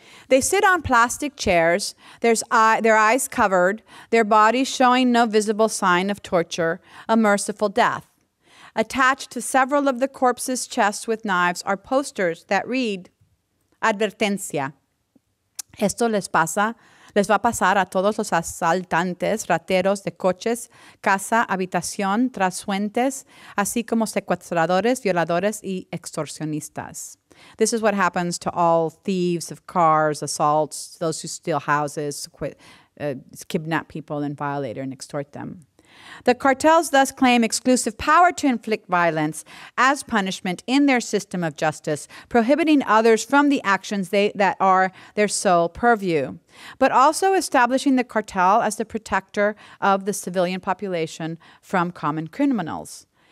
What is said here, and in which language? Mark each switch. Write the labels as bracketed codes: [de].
[en] They sit on plastic chairs, their eyes covered, their bodies showing no visible sign of torture, a merciful death. Attached to several of the corpses' chests with knives are posters that read, Advertencia. [es] Esto les va a pasar a todos los asaltantes, rateros de coches, casa, habitación, trasuentes, así como secuestradores, violadores y extorsionistas. [en] This is what happens to all thieves of cars, assaults, those who steal houses, kidnap people and violate or extort them. The cartels thus claim exclusive power to inflict violence as punishment in their system of justice, prohibiting others from the actions that are their sole purview, but also establishing the cartel as the protector of the civilian population from common criminals.